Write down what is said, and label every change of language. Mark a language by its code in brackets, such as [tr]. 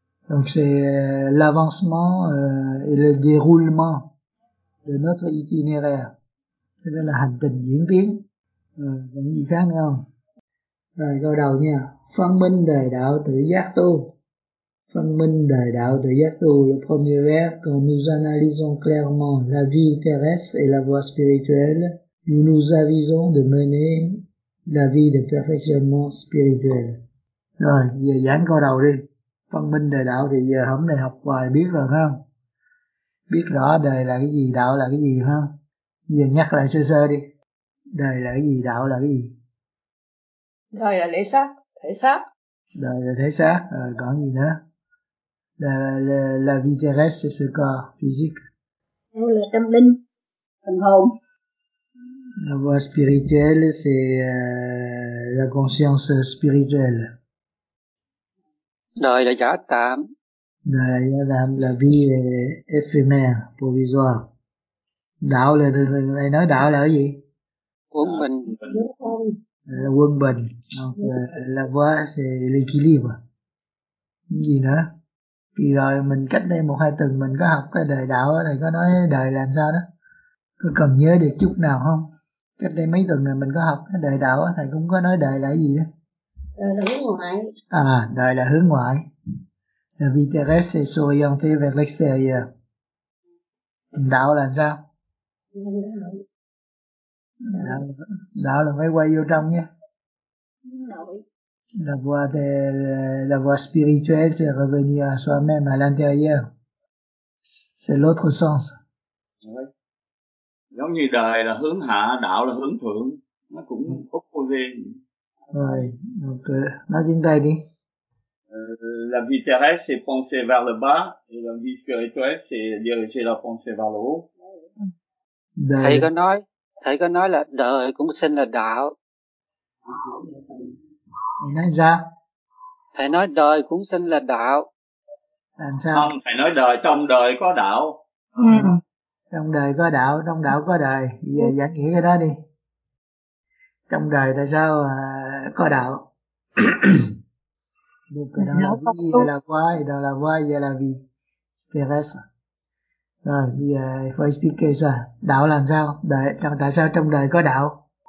[fr] Donc c'est l'avancement et le déroulement de notre itinéraire. [vi] Thế là hành trình diễn tiến. Còn gì khác nữa không? Rồi câu đầu nha. Phân minh đời đạo tự giác tu. Phân minh đời đạo tự giác tu. [fr] Le premier vers. Quand nous analysons clairement la vie terrestre et la voie spirituelle, nous nous avisons de mener la vie de perfectionnement spirituel. [vi] Rồi, giờ giảng câu đầu đi. Phân minh đời đạo thì giờ hôm nay học hoài biết rồi không? Biết rõ đời là cái gì, đạo là cái gì không? Giờ nhắc lại sơ sơ đi. Đời là cái gì, đạo là cái gì? Đời là lễ xác, thể xác. Đời là thể xác, rồi còn gì nữa? [fr] La vie terrestre, c'est ce corps physique. [vi] Đó là tâm linh, thần hồn. [fr] La voie spirituelle, c'est la conscience spirituelle. [vi] Đời là giả tạm. Đời là giả tạm, [fr] la vie est éphémère, provisoire. [vi] Đạo là, thầy nói đạo là cái gì? Quân bình. Quân bình. [fr] Donc, la voie, c'est l'équilibre. [vi] Gì nữa? Kỳ rồi, mình cách đây một hai tuần mình có học cái đời đạo, thầy có nói đời là sao đó? Có cần nhớ được chút nào không? Cách đây mấy tuần rồi mình có học cái đời đạo, thầy cũng có nói đời là cái gì đó? Đời là hướng ngoại. À, đời là hướng ngoại. [fr] La vie terrestre est orientée vers l'extérieur. [vi] Đạo là sao? Đạo là phải quay vô trong nha. [fr] La voie de, la voie spirituelle, c'est revenir à soi-même, à l'intérieur. C'est l'autre sens. [vi] Giống như đời là hướng hạ, đạo là hướng thượng. Nó cũng khúc quay về. Rồi, ok. Nói trên tay đi. [fr] La vie terrestre, c'est penser vers le bas. Et la vie spirituelle, c'est diriger la pensée vers le haut. [vi] Đời. Thầy có nói là đời cũng sinh là đạo. Thầy nói sao? Thầy nói đời cũng sinh là đạo. Làm sao? Không, thầy nói đời, trong đời có đạo. Trong đời có đạo, trong đạo có đời. Giờ giải nghĩa cái đó đi. Trong đời tại sao có đạo? [fr] Donc, dans la vie, il y a la voie, et dans la voie, il y a la vie. C'est terrestre. [vi] Rồi, bây giờ phải expliquer ra. Đạo làm sao? Đời, tại sao trong đời có đạo?